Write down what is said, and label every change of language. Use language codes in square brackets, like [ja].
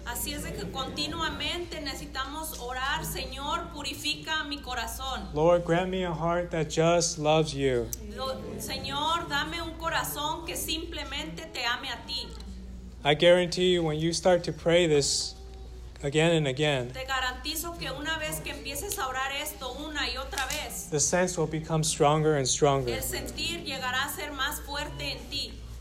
[es] Así es que continuamente necesitamos orar, Señor, purifica mi corazón. [en] Lord, grant me a heart that just loves you. [es] Señor, dame un corazón que simplemente te ame a ti. [en] I guarantee you, when you start to pray this again and again, [es] te garantizo que una vez que empieces a orar esto una y otra vez, [en] the sense will become stronger and stronger. [es] El sentir llegará a ser más fuerte en ti.